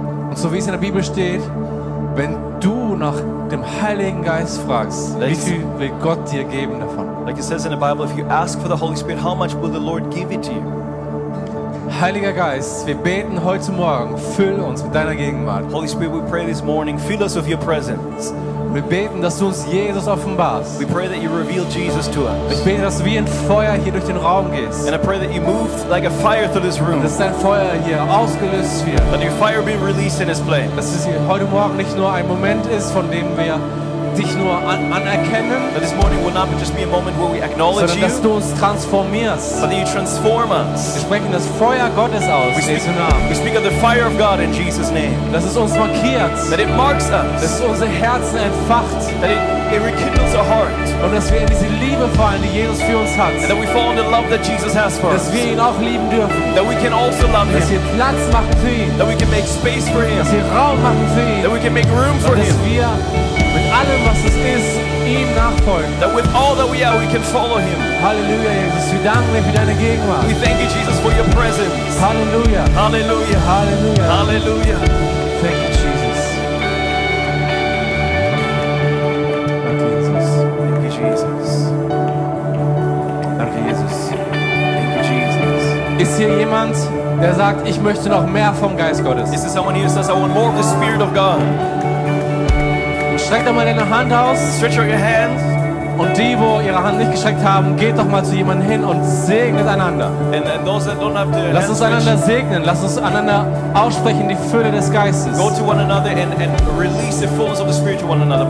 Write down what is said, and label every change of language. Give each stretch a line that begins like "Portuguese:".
German: Und so wie es in der Bibel steht, wenn du nach dem Heiligen Geist fragst, wie viel will Gott dir geben davon?
English: Like it says in the Bible, if you ask for the Holy Spirit, how much will the Lord give it to you?
German: Heiliger Geist, wir beten heute Morgen, füll uns mit deiner Gegenwart.
English: Holy Spirit, we pray this morning, fill us with your presence.
German: Wir beten, dass du uns Jesus offenbarst.
English: We pray that you reveal Jesus to us.
German: Ich bete, dass du wie ein Feuer hier durch den Raum gehst.
English: And I pray that you move like a fire through this room.
German: Dass dein Feuer hier ausgelöst wird.
English: That your fire be released in this place.
German: Dass es hier heute Morgen nicht nur ein Moment ist, von dem wir dich nur anerkennen.
English: But this morning will not just be a moment where we acknowledge
German: sondern,
English: you.
German: Sondern dass du uns transformierst.
English: But that you transform us.
German: Wir sprechen das Feuer Gottes aus.
English: We speak, we speak of the fire of God in Jesus' name.
German: Dass es uns markiert.
English: That it marks us.
German: Dass es unsere Herzen entfacht.
English: That it rekindles our heart.
German: Und dass wir in diese Liebe fallen, die Jesus für uns hat.
English: And that we fall in the love that Jesus has for
German: dass Dass wir ihn auch lieben dürfen.
English: That we can also love
German: dass
English: him.
German: Dass wir Platz machen für ihn.
English: That we can make space for him.
German: Dass wir Raum machen für ihn.
English: That we can make room
German: und
English: for
German: dass
English: him.
German: Dass wir mit allem, was es ist, ihm nachfolgen. nachfolgen.
English: That with all that we are, we can follow him.
German: Hallelujah, Jesus. Wir danken dir für deine Gegenwart.
English: We thank you, Jesus, for your presence.
German: Hallelujah. Hallelujah. Hallelujah. Hallelujah.
English: Thank you, Jesus.
German: Danke, Jesus.
English: Thank you, Jesus.
German: Danke, Jesus.
English: Thank you, Jesus.
German: Ist hier jemand, der sagt, ich möchte noch mehr vom Geist Gottes?
English: Is there someone here who says, I want more of the Spirit of God?
German: Streck doch mal deine Hand aus.
English: Stretch out your hand.
German: Und die, wo ihre Hand nicht gestreckt haben, geht doch mal zu jemandem hin und segnet einander. Lass uns einander segnen. Lass uns einander aussprechen die Fülle des Geistes.
English: Go to one another and release the fullness of the Spirit to one another.